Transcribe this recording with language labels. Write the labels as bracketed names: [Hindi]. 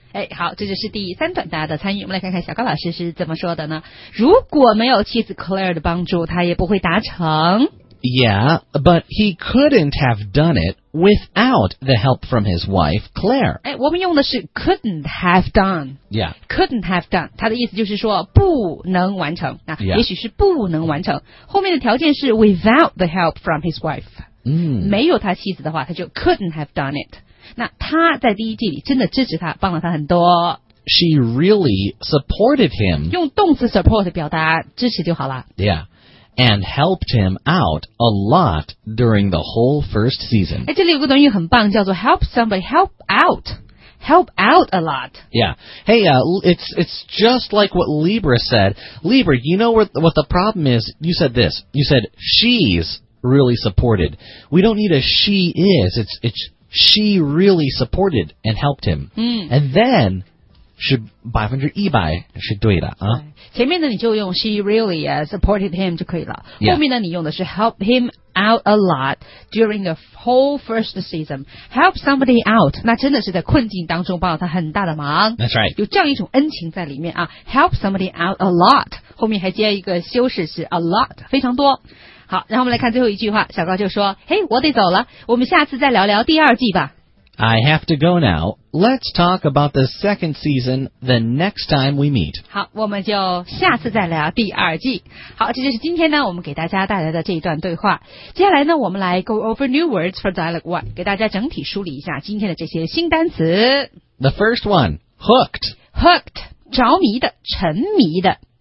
[Chinese] 哎，好，这就是第三段大家的参与。我们来看看小高老师是怎么说的呢？如果没有妻子 Claire 的帮助，他也不会达成。 [English] Yeah, but he couldn't have done it without the help from his wife, Claire. [Chinese] 哎，我们用的是 [English] couldn't have done. Yeah. Couldn't have done. [Chinese] 他的意思就是说不能完成。啊 [English] yeah. [Chinese] 也许是不能完成。后面的条件是 [English] without the help from his wife.、 [Chinese] 没有他妻子的话，他就 [English] couldn't have done it. [Chinese] 那他在第一季里真的支持他，帮了他很多。 [English] She really supported him. [Chinese] 用动词 support 表达支持就好了。 [English] Yeah, and helped him out a lot during the whole first season. [Chinese] 哎，这里有个短语很棒，叫做 [English] help somebody help out, help out a lot. Yeah, hey, it's just like what Libra said. Libra, you know what the problem is? You said this. You said she's really supported. We don't need a she is. It's. She really supported and helped him.、And then, [Chinese] 是百分之一百是对的、前面呢你就用 [English] she really、supported him [Chinese] 就可以了。 [English] Yeah. [Chinese] 后面呢你用的是 [English] help him out a lot during the whole first season. Help somebody out, [Chinese] 那真的是在困境当中帮了他很大的忙。 [English] That's right. [Chinese] 有这样一种恩情在里面啊。 [English] Help somebody out a lot, [Chinese] 后面还接一个修饰是 [English] a lot, [Chinese] 非常多。好，然后我们来看最后一句话，小高就说，嘿，我得走了，我们下次再聊聊第二季吧。 [English] I have to go now. Let's talk about the second season the next time we meet. [Chinese] 好，我们就下次再聊第二季。好，这就是今天呢，我们给大家带来的这一段对话。接下来呢，我们来 [English] go over new words for dialogue one， [Chinese] 给大家整体梳理一下今天的这些新单词。 [English] The first one, hooked. [Chinese] Hooked, 着迷的，沉迷的。